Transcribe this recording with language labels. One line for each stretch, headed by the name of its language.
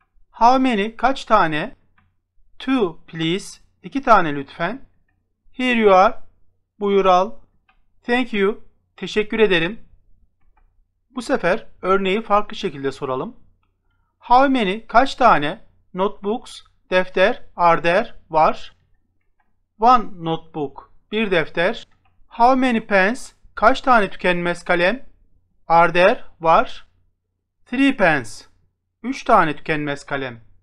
English: How many?
Turkish: Kaç tane?
English: Two, please.
Turkish: İki tane lütfen.
English: Here you are.
Turkish: Buyur al.
English: Thank you.
Turkish: Teşekkür ederim. Bu sefer örneği farklı şekilde soralım.
English: How many?
Turkish: Kaç tane?
English: Notebooks,
Turkish: defter,
English: are there,
Turkish: var?
English: One notebook,
Turkish: bir defter.
English: How many pens?
Turkish: Kaç tane tükenmez kalem?
English: Are there,
Turkish: var?
English: Three pens.
Turkish: Üç tane tükenmez kalem.